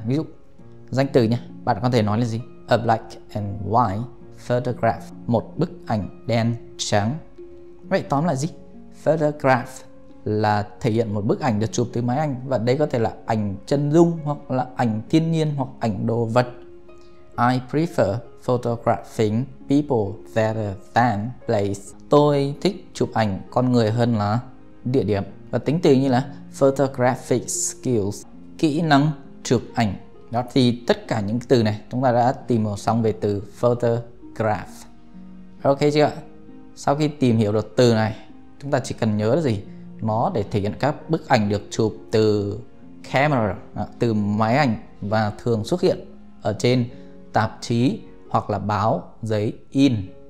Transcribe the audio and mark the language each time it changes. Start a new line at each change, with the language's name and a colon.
Vietnamese: Ví dụ danh từ nhé, bạn có thể nói là gì?
English: A black and white photograph,
Vietnamese: một bức ảnh đen trắng. Vậy tóm lại gì? Photograph là thể hiện một bức ảnh được chụp từ máy ảnh, và đây có thể là ảnh chân dung hoặc là ảnh thiên nhiên hoặc ảnh đồ vật.
English: I prefer photographing people rather than place.
Vietnamese: Tôi thích chụp ảnh con người hơn là địa điểm. Và tính từ như là
English: photographic skills,
Vietnamese: kỹ năng chụp ảnh. Đó thì tất cả những từ này chúng ta đã tìm hiểu xong về từ photograph. Ok chưa? Sau khi tìm hiểu được từ này, chúng ta chỉ cần nhớ là gì? Nó để thể hiện các bức ảnh được chụp từ camera, từ máy ảnh, và thường xuất hiện ở trên tạp chí hoặc là báo giấy in.